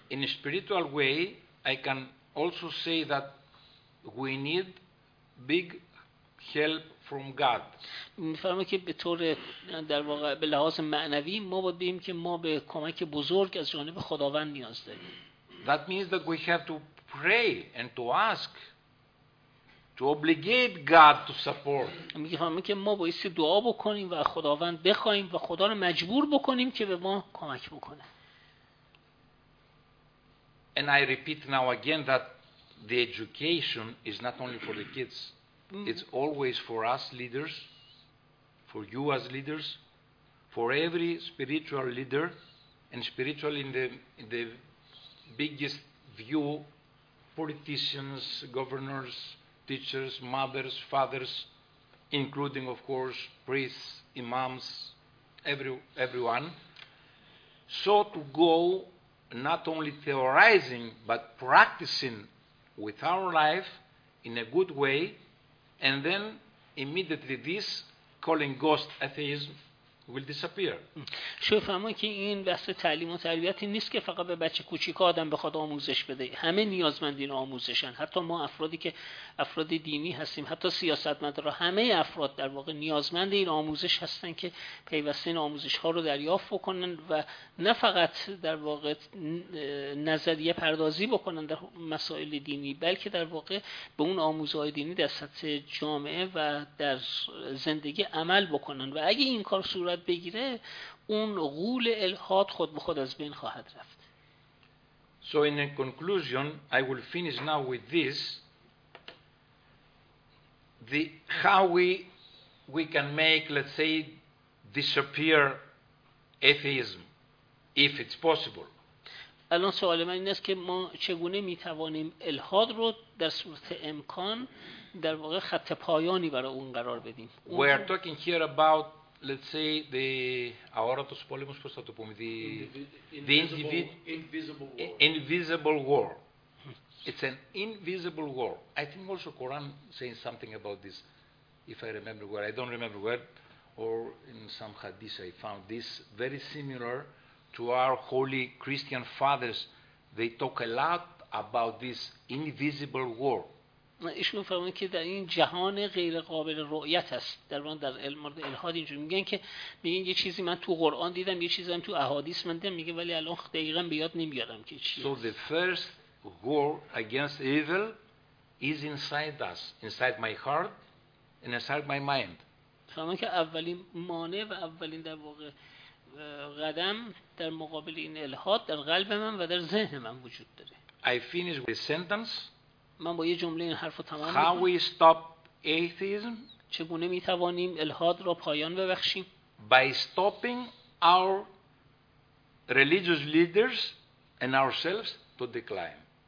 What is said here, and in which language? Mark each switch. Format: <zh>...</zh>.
<en>In a spiritual way I can also say that we need big help from God.</en> <fa>می‌فهمم که به طور در واقع به لحاظ معنوی ما باید بگیم که ما به کمک بزرگ از جانب خداوند نیاز داریم.</fa> <en>That means that we have to pray and to ask To obligate God to support.</en> <fa>میفهمم که ما بایستی دعا بکنیم و خداوند بخوایم و خدا رو مجبور بکنیم که به ما کمک بکنه.</fa> <en>And I repeat now again that the education is not only for the kids. It's always for us leaders, for you as leaders, for every spiritual leader, and spiritual in the biggest view, politicians, governors, teachers, mothers, fathers, including of course priests, imams, everyone. So to go not only theorizing but practicing with our life in a good way, and then immediately this calling ghost atheism will disappear.</en> <fa>شو فهمم که این بحث تعلیم و تربیتی نیست که فقط به بچه کوچیک آدم بخواد آموزش بده. همه نیازمندین آموزشن. حتی ما افرادی که افراد دینی هستیم، حتی سیاستمدارا، همه افراد در واقع نیازمند این آموزش هستن که پیوسته این آموزش ها رو دریافت بکنن و نه فقط در واقع نظریه پردازی بکنن در مسائل دینی، بلکه در واقع به اون آموزهای دینی در سطح جامعه و در زندگی عمل بکنن. و اگه این کار صورت بگیره، اون غول الحاد خود به خود از بین خواهد رفت.</fa> <en>So in a conclusion, I will finish now with this. The how we can make, let's say, disappear atheism, if it's possible.</en> <fa>الان سوال من این است که ما چگونه می توانیم الحاد رو در صورت امکان در واقع خط پایانی برای اون قرار بدیم.</fa> <en>We are talking here about, let's say, the aorotos polemos, how to put it, the invisible war. It's an invisible war. I think also Quran saying something about this, if I remember where. I don't remember where, or in some hadith I found this, very similar to our holy Christian fathers. They talk a lot about this invisible war.</en> <fa>ایشون فرمودن که در این جهان غیر قابل رؤیت است. در واقع در مورد الحاد اینجور میگن که میگن یه چیزی من تو قرآن دیدم، یه چیزی من تو احادیث من دیدم، میگه ولی الان دقیقا بیاد نمیارم که چیه.</fa> <en>So the first war against evil is inside us, inside my heart and inside my mind.</en> <fa>فرمودن که اولین مانع و اولین در واقع قدم در مقابل این الحاد در قلب من و در ذهن من وجود داره.</fa> <en>I finish with a sentence.</en> <fa>من با یه جمله این حرف رو تمام می‌کنم.</fa> <en>How we stop atheism?</en> <fa>چگونه می‌توانیم الحاد را پایان ببخشیم؟</fa> <en>By stopping our religious leaders and ourselves to decline.</en>